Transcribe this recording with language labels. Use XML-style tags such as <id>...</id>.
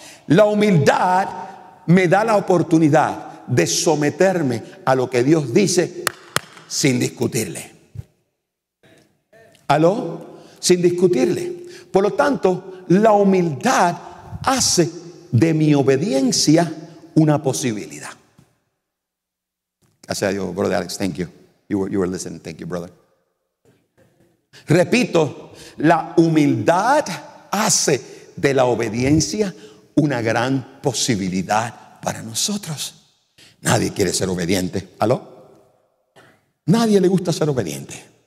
<es>La humildad me da la oportunidad de someterme a lo que Dios dice sin discutirle. ¿Aló? Sin discutirle. Por lo tanto, la humildad hace de mi obediencia una posibilidad. Gracias a Dios,</es> <en>brother Alex, thank you. You were listening, thank you, brother.</en> <es>Repito, la humildad hace de la obediencia una gran posibilidad para nosotros. Nadie quiere ser obediente. ¿Aló? Nadie le gusta ser obediente.</es>